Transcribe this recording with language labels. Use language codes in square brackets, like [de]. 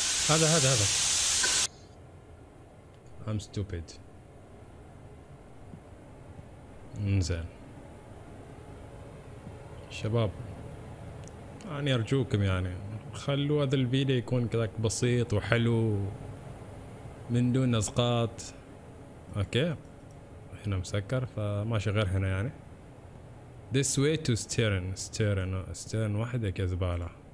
[ar] هذا [en] I'm stupid. [ar] انزين شباب، يعني ارجوكم يعني خلوا هذا الفيديو يكون كذاك بسيط وحلو من دون اسقاط. اوكي هنا مسكر فماشي غير هنا يعني. [en] This way to stern [ar] وحدك يا زبالة.